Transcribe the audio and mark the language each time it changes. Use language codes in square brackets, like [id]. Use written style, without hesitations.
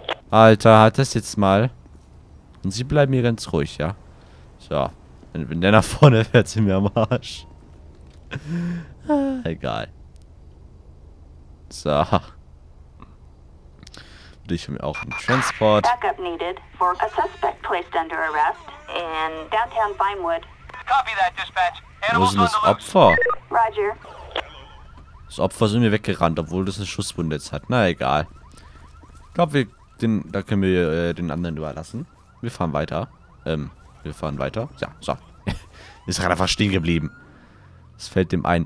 [de] Alter, halt das jetzt mal. Und sie bleiben hier ganz ruhig, ja? So. Wenn der nach vorne fährt, sind wir am Arsch. Egal. So. Und ich habe mir auch einen Transport. [en] Backup needed for a suspect placed under arrest in downtown Vinewood. Copy that, dispatch. [de] Wo ist denn das Opfer? [en] Roger. [de] Das Opfer ist mir weggerannt, obwohl das eine Schusswunde jetzt hat. Na egal. Ich glaube, da können wir den anderen überlassen. Wir fahren weiter. Ja, so. Ist gerade einfach stehen geblieben. Es fällt dem ein.